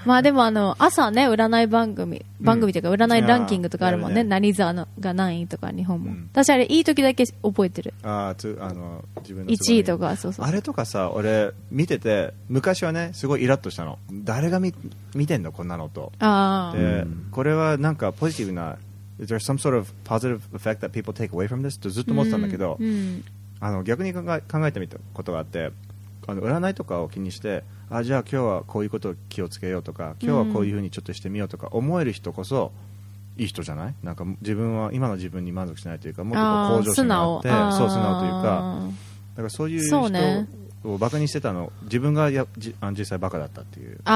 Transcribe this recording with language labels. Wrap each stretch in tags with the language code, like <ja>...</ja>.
<ja>まあでも朝ね、占い番組というか占いランキングとかあるもんね。何座が何位とか、日本も。私あれいい時だけ覚えてる。自分の 1位とか、そうそう。あれとかさ、俺見てて昔はね、すごいイラッとしたの。誰が見てんのこんなのと。で、これはなんかポジティブな、</ja> <en>Is there some sort of positive effect that people take away from this?</en> <ja>とずっと思ってたんだけど、逆に考えてみたことがあって、占いとかを気にして、あ、じゃあ今日はこういうことを気をつけようとか、今日はこういうふうにちょっとしてみようとか思える人こそいい人じゃない？なんか自分は今の自分に満足しないというか、もっと向上心があって、そう、素直というか、だからそういう人をバカにしてたの、自分が実際バカだったっていう。</ja>